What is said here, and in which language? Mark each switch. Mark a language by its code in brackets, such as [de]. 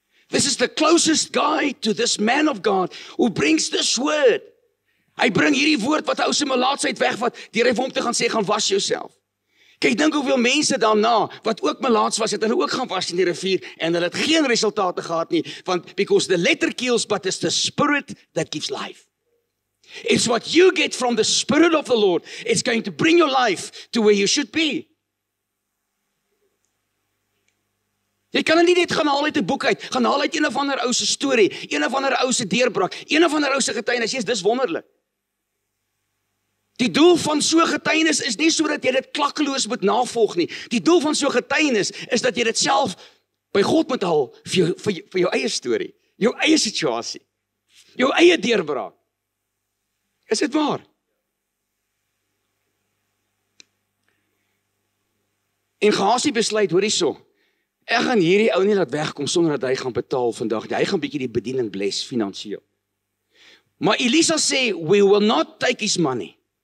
[en] This is the closest guy to this man of God who brings this word. [af] Hy bring hierdie woord wat hy ouse melaatsheid wegvat, deur hy vir hom te gaan sê, gaan was jouself. Kyk, dink hoeveel mense daarna, wat ook melaats was, het hulle ook gaan was in die rivier, en hulle het geen resultate gehad nie, want [en] because the letter kills, but it's the spirit that gives life. It's what you get from the Spirit of the Lord. It's going to bring your life to where you should be. [af] Jy kan nie net gaan haal uit 'n boek uit, gaan haal uit een of ander ou se storie, een of ander ou se deurbraak, een of ander ou se getuienis, jy's dis wonderlik. Die doel van so 'n getuienis is nie sodat jy dit klakkeloos moet navolg nie. Die doel van so 'n getuienis is dat jy dit self by God moet haal vir jou eie storie, jou eie situasie, jou eie deurbraak. Is dit waar? En Gehasi besluit, hoorie so, ek gaan hierdie ou nie laat wegkom sonder dat hy gaan betaal vandag. Hy gaan bietjie die bediening bless, finansieel. Maar Elisa sê, [en] we will not take his money.